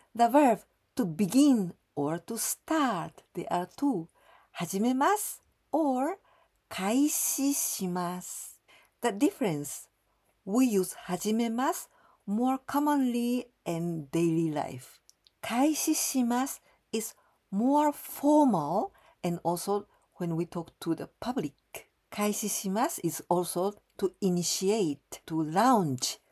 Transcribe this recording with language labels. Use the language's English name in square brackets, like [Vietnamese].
[English] The verb to begin or to start, there are two. [Japanese] 始めます or 開始します. [English] The difference, we use 始めます more commonly in daily life. 開始します is more formal, and also when we talk to the public. 開始します is also to initiate, to launch,